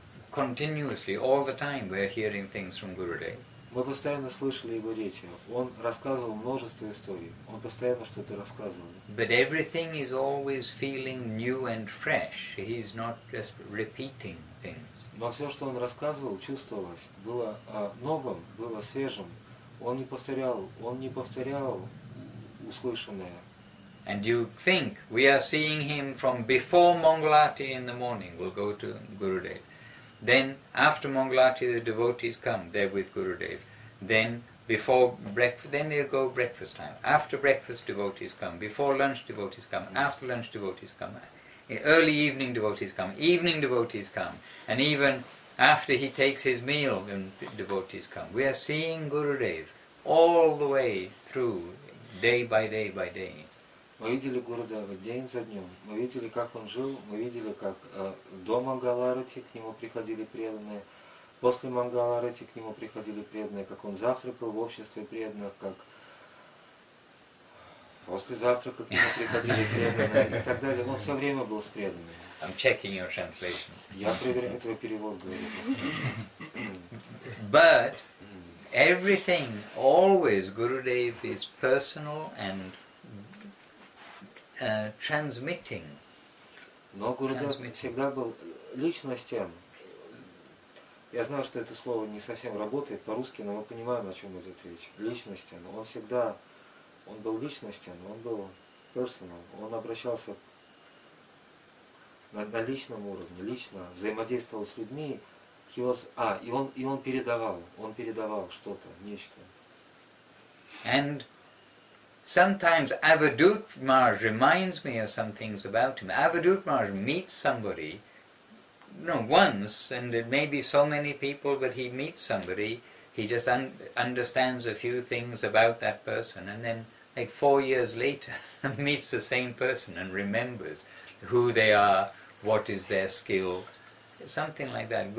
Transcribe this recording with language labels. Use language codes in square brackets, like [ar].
[en] Continuously, all the time, we're hearing things from Gurudev. [ru] Мы постоянно слышали его речи. Он рассказывал множество историй. Он постоянно что-то рассказывал. [en] But everything is always feeling new and fresh. He's not just repeating things. [ru] Но все, что он рассказывал, чувствовалось, было новым, было свежим. Он не повторял услышанное. [en] And you think we are seeing him from before Mangalati in the morning? We'll go to Gurudev. Then after Mangalati, the devotees come. They're with Gurudev. Then before breakfast, then they go breakfast time. After breakfast, devotees come. Before lunch, devotees come. After lunch, devotees come. Early evening, devotees come. Evening, devotees come. And even after he takes his meal, then devotees come. We are seeing Gurudev all the way through, day by day by day. [ru] Мы видели Гурудева день за днем. Мы видели, как он жил. Мы видели, как до Мангаларати к нему приходили преданные. После Мангаларати к нему приходили преданные. Как он завтракал в обществе преданных. Как после завтрака к нему приходили преданные. И так далее. Он все время был с преданными. [en] I'm checking your translation. [ru] Я проверяю твой перевод, говорю. [en] But everything, always Gurudev is personal and transmitting. [ru] Но Гурудев всегда был личностям. Я знаю, что это слово не совсем работает по-русски, но мы понимаем, о чем идет речь. Личностям. Он всегда, он был личностям, он был personal. Он обращался на личном уровне, лично взаимодействовал с людьми. Он передавал что-то, нечто. [en] And sometimes Avadhut Maharaj reminds me of some things about him. Avadhut Maharaj meets somebody, once, and it may be so many people, but he meets somebody, he just understands a few things about that person, and then, 4 years later, meets the same person and remembers who they are, what is their skill, something like that.